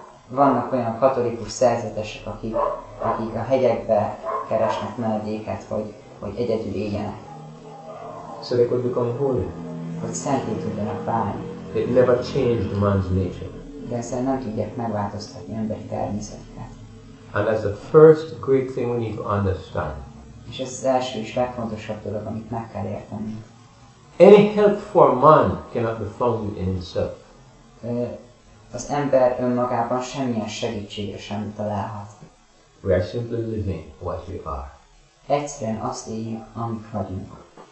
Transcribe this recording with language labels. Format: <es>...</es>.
<hu>Vannak olyan katolikus szerzetesek, akik a hegyekbe keresnek menedéket, hogy egyedül éljenek.</hu> <en>So they could become holy.</en> <hu>Hogy szenté tudjanak válni.</hu> <en>It never changed man's nature.</en> <hu>De ezzel nem tudják megváltoztatni emberi természetet.</hu> <en>And that's the first great thing we need to understand.</en> <hu>És ez az első és legfontosabb dolog, amit meg kell érteni.</hu> <en>Any help for man cannot be found in himself.</en> <hu>Az ember önmagában semmilyen segítségre sem találhat.</hu> <en>We are simply living what we are.</en> <hu>Egyszerűen azt éljük, amit vagyunk.</hu>